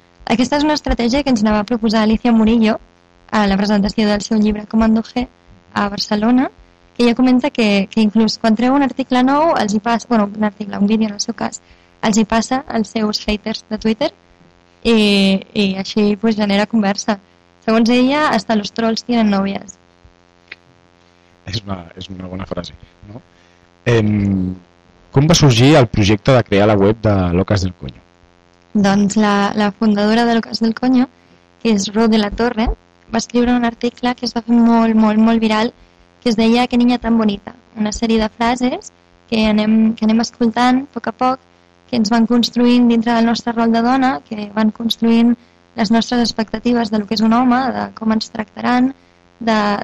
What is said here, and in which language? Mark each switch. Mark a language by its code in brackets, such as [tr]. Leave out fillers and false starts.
[ca] Aquesta és una estratègia que ens anava a proposar Alicia Murillo a la presentació del seu llibre Comando G a Barcelona, que ella comenta que inclús quan treu un article nou els hi passa, bueno, un article, un vídeo en el seu cas, els hi passa als seus haters de Twitter, i així pues, genera conversa. Segons ella, [es] hasta los trolls tienen novias. [ca] És una bona frase, no? Com va sorgir el projecte de crear la web de Locas del Coño? Doncs la fundadora de Locas del Coño, que és Ro de la Torre, va escriure un article que es va fer molt, molt, molt viral, que es deia Que niña tan bonita, una sèrie de frases que anem escoltant a poc a poc, que ens van construint dintre del nostre rol de dona, que van construint les nostres expectatives del que és un home, de com ens tractaran, de